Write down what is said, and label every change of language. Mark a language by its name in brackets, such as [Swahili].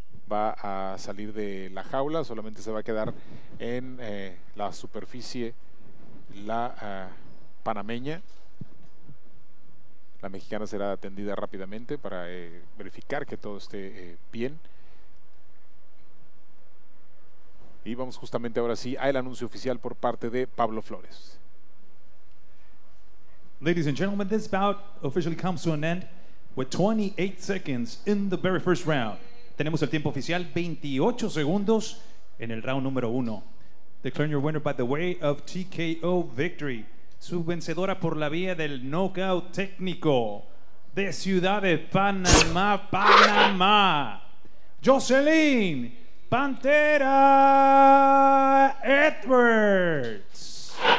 [Spanish] Va a salir de la jaula, solamente se va a quedar en la superficie la panameña. La mexicana será atendida rápidamente para verificar que todo esté bien. Y vamos justamente ahora sí al anuncio oficial por parte de Pablo Flores. [English] Ladies and gentlemen, this bout officially comes to an end with 28 seconds in the very first round. [Spanish] Tenemos el tiempo oficial, 28 segundos en el round número 1. [English] Declaring your winner by the way of TKO victory. [Spanish] Su vencedora por la vía del knockout técnico de Ciudad de Panamá, Panamá. Jocelyn Pantera Edwards.